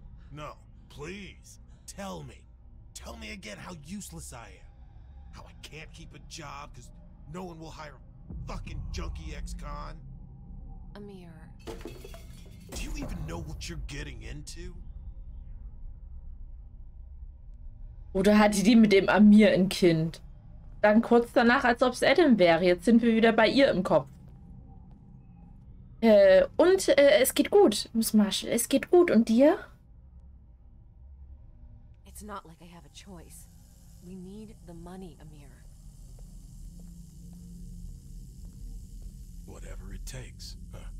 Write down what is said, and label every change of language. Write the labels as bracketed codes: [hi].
[en] No, please. Tell me. Tell me again how useless I am. How I can't keep a job because no one will hire a fucking junkie ex-con. Amir. Do you even know what you're getting into? [de] Oder hatte die mit dem Amir ein Kind? Dann kurz danach, als ob es Adam wäre. Jetzt sind wir wieder bei ihr im Kopf. Es geht gut, Miss Marshall. Es geht gut. Und dir? [en] It's not like I have a choice. We need the money, Amir. Whatever it takes, huh?